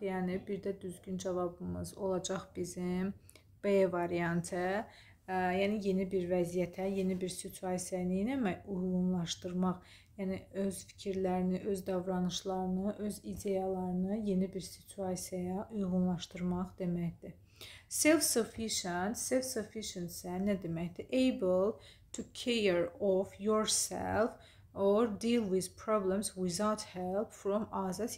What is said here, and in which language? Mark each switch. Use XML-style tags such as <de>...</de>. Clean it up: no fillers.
<az>Yəni, bir də düzgün cavabımız olacaq bizim B variantı. Yəni, yeni bir vəziyyətə, yeni bir situasiyaya uyğunlaşdırmaq, yəni öz fikirlərini, öz davranışlarını, öz ideyalarını yeni bir situasiyaya uyğunlaşdırmaq deməkdir. Self-sufficient, self-sufficient isə nə deməkdir?</az> <en>Able to care of yourself or deal with problems without help from others.</en>